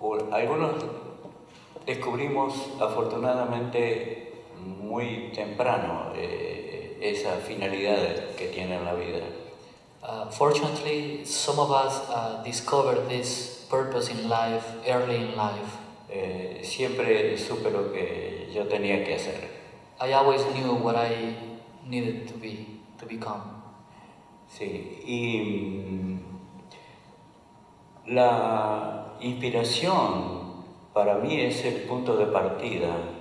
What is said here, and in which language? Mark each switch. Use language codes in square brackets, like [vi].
[es] Algunos descubrimos afortunadamente muy temprano esa finalidad que tiene en la vida. [en] Fortunately, some of us discovered this purpose in life early in life. [es] Siempre supe lo que yo tenía que hacer. [en] I always knew what I needed to be, to become. [es] Sí, y la inspiración para mí es el punto de partida.